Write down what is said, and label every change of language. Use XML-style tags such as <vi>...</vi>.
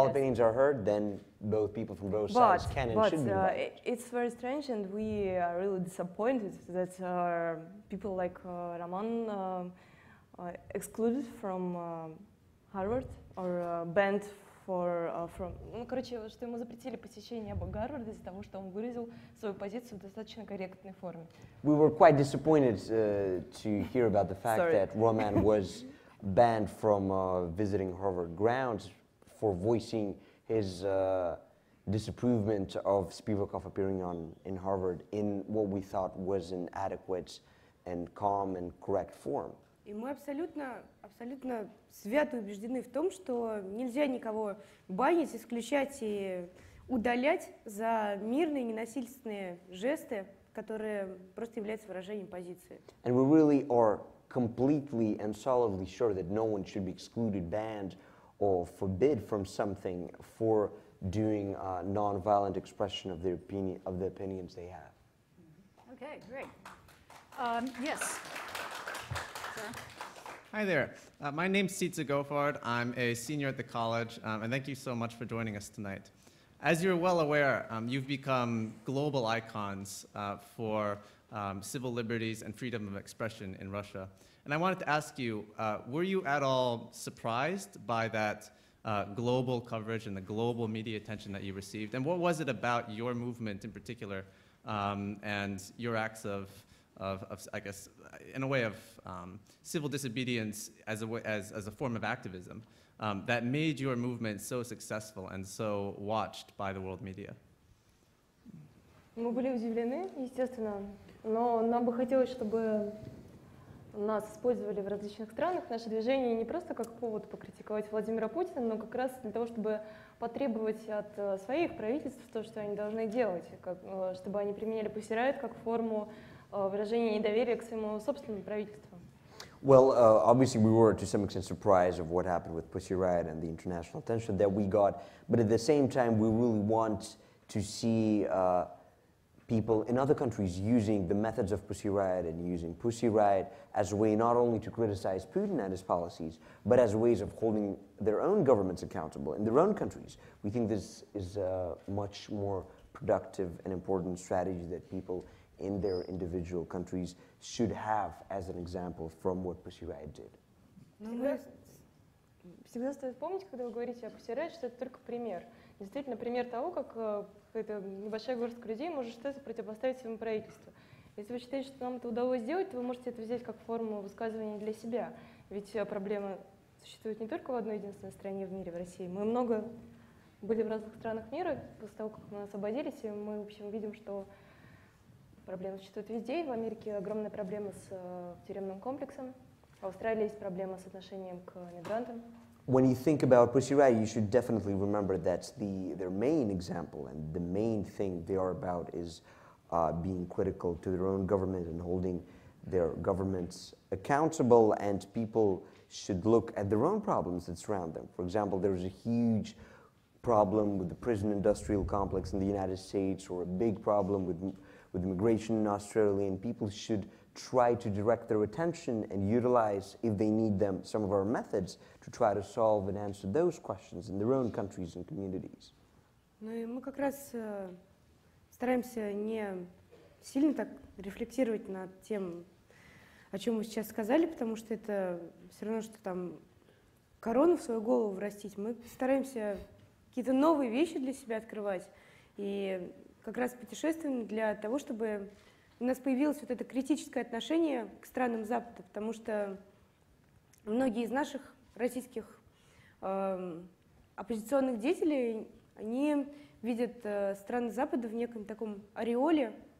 <en>Opinions are heard, then both people from both sides can and should be invited. It's very strange, and we are really disappointed that people like Roman excluded from Harvard or banned.</en> <ru>Что ему запретили посещение Гарварда из-за того, что он выразил свою позицию в достаточно корректной форме.</ru> <en>We were quite disappointed to hear about the fact that Roman was banned from visiting Harvard grounds for voicing his disapprovement of Spivakov appearing in Harvard in what we thought was an adequate and calm and correct form.</en> <ru>И мы абсолютно свято убеждены в том, что нельзя никого банить, исключать и удалять за мирные ненасильственные жесты, которые просто являются выражением позиции.</ru> <en>And we really are completely and solidly sure that no one should be excluded, banned, or forbid from something for doing a non-violent expression of their opinion, of the opinions they have. Okay, great. Yes. Hi there. My name's Sitze Gofard. I'm a senior at the college, and thank you so much for joining us tonight. As you're well aware, you've become global icons for civil liberties and freedom of expression in Russia. And I wanted to ask you, were you at all surprised by that global coverage and the global media attention that you received? And what was it about your movement in particular and your acts of I guess, in a way of civil disobedience as a form of activism that made your movement so successful and so watched by the world media.</en> <ru>Мы были удивлены, естественно, но нам бы хотелось, чтобы нас использовали в различных странах наше движение не просто как повод покритиковать Владимира Путина, но как раз для того, чтобы потребовать от своих правительств то, что они должны делать, чтобы они применяли Pussy Riot как форму выражение недоверия к своему собственному правительству.</ru> <en>Well, obviously we were to some extent surprised of what happened with Pussy Riot and the international attention that we got, but at the same time we really want to see people in other countries using the methods of Pussy Riot and using Pussy Riot as a way not only to criticize Putin and his policies, but as ways of holding their own governments accountable in their own countries. We think this is a much more productive and important strategy that people in their individual countries should have as an example from what Pussy Riot did.</en> <ru>Всегда стоит помнить, когда вы говорите о Pussy Riot, что это только пример. Действительно, пример того, как какая-то небольшая горстка людей может что-то противопоставить своему правительству. Если вы считаете, что нам это удалось сделать, то вы можете это взять как форму высказывания для себя. Ведь проблема существует не только в одной единственной стране в мире, в России. Мы много были в разных странах мира после того, как мы освободились, и мы, в общем, видим, что проблемы существуют везде. В Америке огромная проблема с тюремным комплексом. В Австралии есть проблема с отношением к мигрантам.</ru> <en>When you think about Pussy Riot, you should definitely remember that's the their main example and the main thing they are about is being critical to their own government and holding their governments accountable, and people should look at their own problems that surround them. For example, there's a huge problem with the prison industrial complex in the United States, or a big problem with immigration in Australia, and people should try to direct their attention and utilize, if they need them, some of our methods to try to solve and answer those questions in their own countries and communities.</en> <ru>Ну и мы как раз стараемся не сильно так рефлектировать над тем, о чем мы сейчас сказали, потому что это все равно, что там корону в свою голову врастить. Мы стараемся какие-то новые вещи для себя открывать и как раз путешествуем для того, чтобы у нас появилось вот это критическое отношение к странам Запада, потому что многие из наших российских оппозиционных деятелей, они видят страны Запада в неком таком ореоле.</ru>